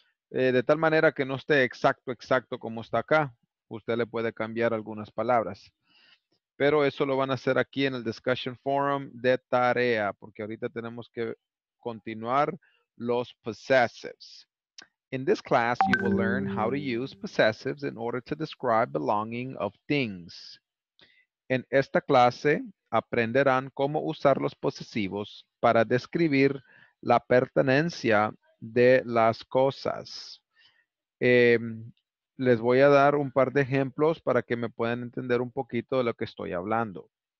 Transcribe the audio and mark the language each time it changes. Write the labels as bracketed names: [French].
[Spanish] De tal manera que no esté exacto como está acá. Usted le puede cambiar algunas palabras. Pero eso lo van a hacer aquí en el discussion forum de tarea, porque ahorita tenemos que continuar los possessives. [English] In this class, you will learn how to use possessives in order to describe belonging of things. [Spanish] En esta clase, aprenderán cómo usar los posesivos para describir la pertenencia de las cosas. Les voy a dar un par de ejemplos para que me puedan entender un poquito de lo que estoy hablando.